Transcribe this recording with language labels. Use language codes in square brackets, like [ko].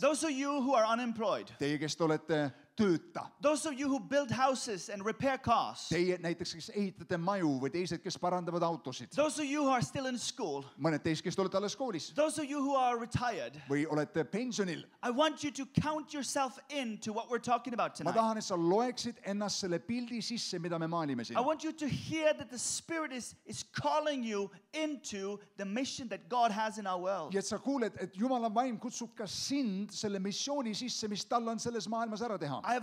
[en] those of you who are unemployed, [et] teie, kes olete tööta, [en] those of you who build houses and repair cars, [et] teie, näiteks, kes ehitate maju või teised, kes parandavad autosid, [en] those of you who are still in school, [et] mõned teist, kes olete alles koolis, [en] those of you who are retired, [et] või olete pensionil, [en] I want you to count yourself in to what we're talking about tonight. [et] Ma tahan, et sa loeksid ennast selle pildi sisse, mida me maalime siin. [en] I want you to hear that the Spirit is calling you into the mission that God has in our world. [et] Ja et sa kuuled, et Jumala vaim kutsub ka sind selle missiooni sisse, mis tal on selles maailmas ära teha.